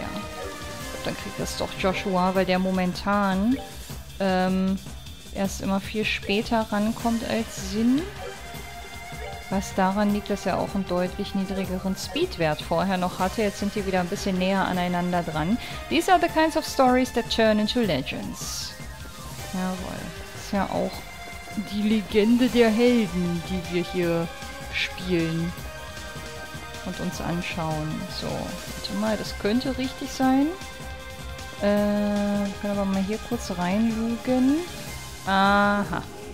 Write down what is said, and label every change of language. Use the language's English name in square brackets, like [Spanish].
[German] Ich glaube, dann kriegt das doch Joshua, weil der momentan erst immer viel später rankommt als Sinn. Was daran liegt, dass er auch einen deutlich niedrigeren Speedwert vorher noch hatte. Jetzt sind die wieder ein bisschen näher aneinander dran. [English] These are the kinds of stories that turn into legends. [German] Jawohl. Das ist ja auch die Legende der Helden, die wir hier spielen und uns anschauen. So, warte mal, das könnte richtig sein. Ich kann aber mal hier kurz reinlugen. Aha.